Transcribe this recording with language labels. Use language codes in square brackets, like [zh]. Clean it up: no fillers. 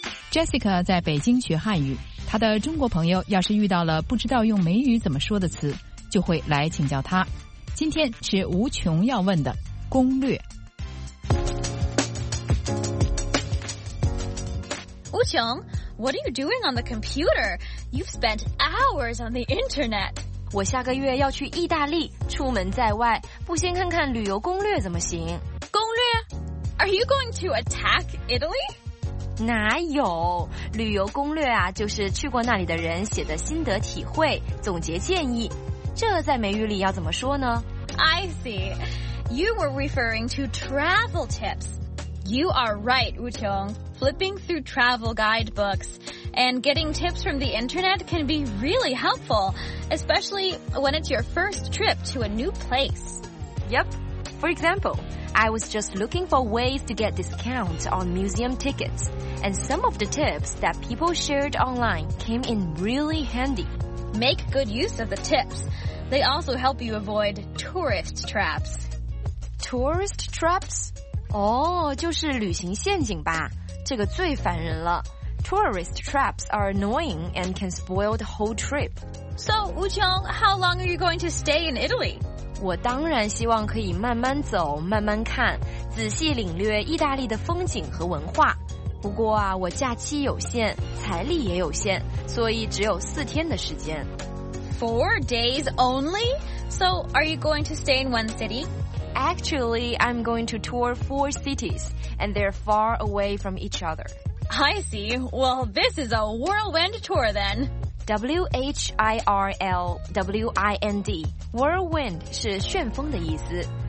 [zh] Jessica 在北京学汉语，她的中国朋友要是遇到了不知道用美语怎么说的词，就会来请教她。今天是无穷要问的攻略。 [en] 无穷 What are you doing on the computer? You've spent hours on the internet. [zh] 我下个月要去意大利，出门在外，不先看看旅游攻略怎么行？ [en] 攻略 ？Are you going to attack Italy？ [zh] 哪有？旅游攻略啊，就是去过那里的人写的心得体会，总结建议。这在美语里要怎么说呢 [en] ？I see. You were referring to travel tips. You are right, Wu Qiong. Flipping through travel guidebooks. And getting tips from the internet can be really helpful, especially when it's your first trip to a new place. Yep. For example, I was just looking for ways to get discounts on museum tickets, and some of the tips that people shared online came in really handy. Make good use of the tips. They also help you avoid tourist traps. Tourist traps? [zh] Oh, 就是旅行陷阱吧，这个最烦人了。 [en] Tourist traps are annoying and can spoil the whole trip. So, Wu Qiong, how long are you going to stay in Italy? [zh] 我当然希望可以慢慢走，慢慢看，仔细领略意大利的风景和文化。不过啊，我假期有限，财力也有限，所以只有四天的时间。 [en] Four days only? So, are you going to stay in one city? Actually, I'm going to tour four cities, and they're far away from each other. I see. Well, this is a whirlwind tour then. WHIRLWIND Whirlwind [zh] 是旋风的意思。